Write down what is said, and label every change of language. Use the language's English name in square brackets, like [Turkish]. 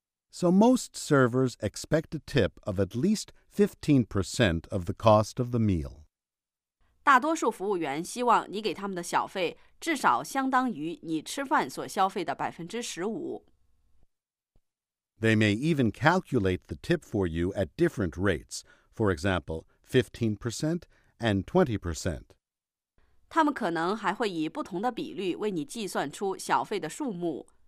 [English] So most servers expect a tip of at least 15% of the cost of the meal. [Chinese] 大多数服务员希望你给他们的小费至少相当于你吃饭所消费的 15%. [English] They may even calculate the tip for you at different rates, for example, 15% and 20%. [Chinese] 他们可能还会以不同的比率为你计算出小费的数目。